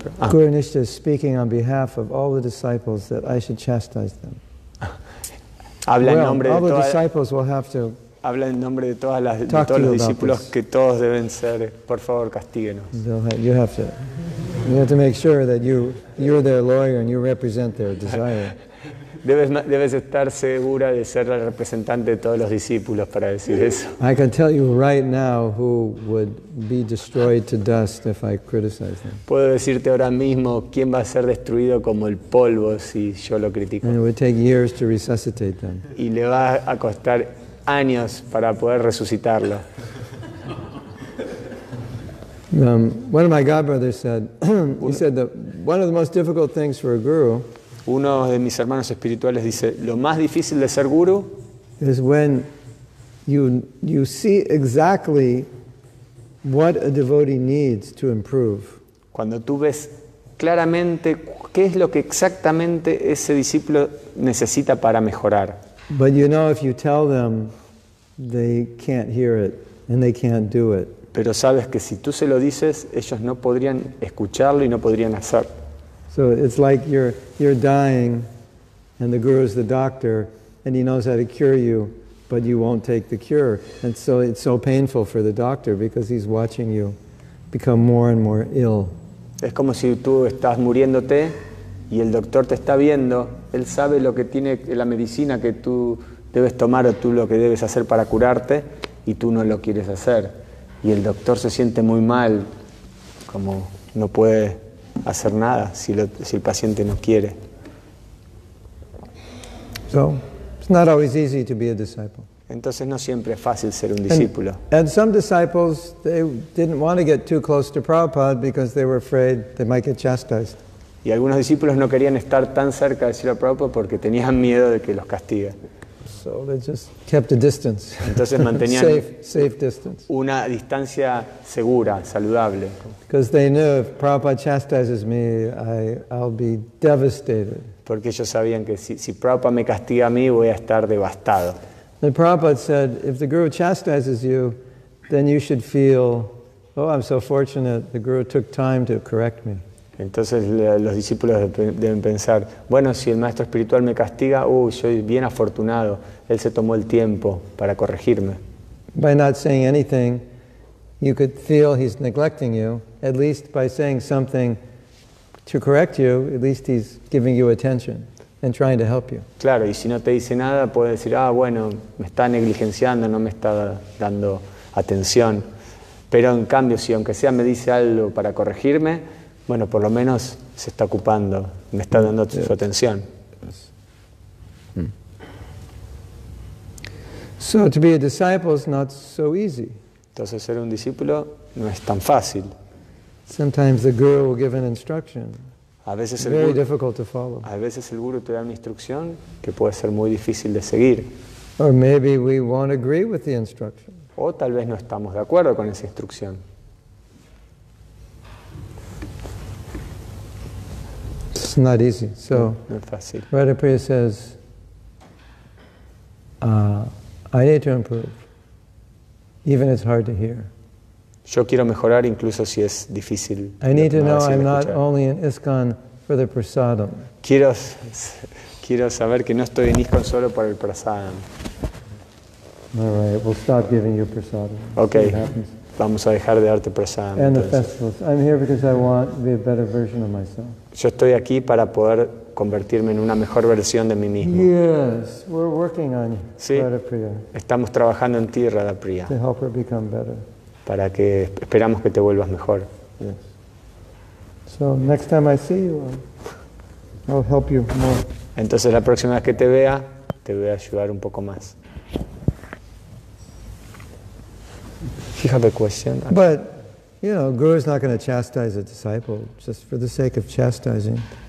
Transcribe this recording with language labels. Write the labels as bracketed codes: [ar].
[en] Guru Nishtha is speaking on behalf of all the disciples that I should chastise them. [es] Habla en nombre de [en] all the disciples will have to [es] habla en nombre de todas las de todos los discípulos que todos deben ser, por favor, castíguenos. [en] You have to make sure that you're their lawyer and you represent their desire. [es] Debes estar segura de ser el representante de todos los discípulos para decir eso. [en] I can tell you right now who would be destroyed to dust if I criticize them. [es] Puedo decirte ahora mismo quién va a ser destruido como el polvo si yo lo critico. [en] And it would take years to resuscitate them. [es] Y le va a costar años para poder resucitarlo. [en] One of my godbrothers said, he said that one of the most difficult things for a guru. [es] Uno de mis hermanos espirituales dice, lo más difícil de ser guru [en] is when you see exactly what a devotee needs to improve. [es] Cuando tú ves claramente qué es lo que exactamente ese discípulo necesita para mejorar. [en] But you know, if you tell them, they can't hear it and they can't do it. [es] Pero sabes que si tú se lo dices, ellos no podrían escucharlo y no podrían hacer. [en] So it's like you're dying and the guru is the doctor and he knows how to cure you, but you won't take the cure. And so it's so painful for the doctor because he's watching you become more and more ill. [es] Es como si tú estás muriéndote y el doctor te está viendo, él sabe lo que tiene la medicina que tú debes tomar o tú lo que debes hacer para curarte y tú no lo quieres hacer. Y el doctor se siente muy mal, como no puede hacer nada si el paciente no quiere. [en] So, it's not always easy to be a disciple. [es] Entonces no siempre es fácil ser un discípulo. [en] And some disciples, they didn't want to get too close to Prabhupada because they were afraid they might get chastised. [es] Y algunos discípulos no querían estar tan cerca de Śrīla Prabhupada porque tenían miedo de que los castigue. [en] So they just kept a distance. [es] Entonces mantenían [en] safe distance. [es] Una distancia segura, saludable. [en] Because they knew if Prabhupada chastises me, I'll be devastated. [es] Porque ellos sabían que si Prabhupada me castiga a mí, voy a estar devastado. [en] And Prabhupada said, if the guru chastises you, then you should feel, oh, I'm so fortunate. The guru took time to correct me. [es] Entonces los discípulos deben pensar, bueno, si el maestro espiritual me castiga, soy bien afortunado, él se tomó el tiempo para corregirme. [en] By not saying anything, you could feel he's neglecting you. At least by saying something to correct you, at least he's giving you attention and trying to help you. [es] Claro, y si no te dice nada, puede decir, bueno, me está negligenciando, no me está dando atención. Pero en cambio, si aunque sea me dice algo para corregirme, bueno, por lo menos se está ocupando, me está dando su atención. [en] So to be a disciple is not so easy. [es] Entonces ser un discípulo no es tan fácil. [en] Sometimes the guru will give an instruction. [es] A veces el [en] very difficult to follow. [es] A veces el guru te da una instrucción que puede ser muy difícil de seguir. [en] Or maybe we won't agree with the instruction. [es] O tal vez no estamos de acuerdo con esa instrucción. [en] It's not easy. So, Radha Priya says, I need to improve, even if it's hard to hear. [es] Yo quiero mejorar incluso si es difícil. [en] I need to know I'm not only in ISKCON for the prasadam. [es] Quiero saber que no estoy en ISKCON solo por el prasadam. [en] All right, we'll stop giving you prasadam. [es] Okay. Vamos a dejar de darte prasadam. [en] And the festivals. I'm here because I want to be a better version of myself. [es] Yo estoy aquí para poder convertirme en una mejor versión de mí mismo. [en] Yes, we're working on you. [es] Sí, estamos trabajando en ti, Radha Priya. [en] To help her become better. [es] Para que esperamos que te vuelvas mejor. [en] Yes. So next time I see you, I'll help you more. [es] Entonces la próxima vez que te vea, te voy a ayudar un poco más. Fíjate cuestión. [en] But you know, guru is not going to chastise a disciple just for the sake of chastising.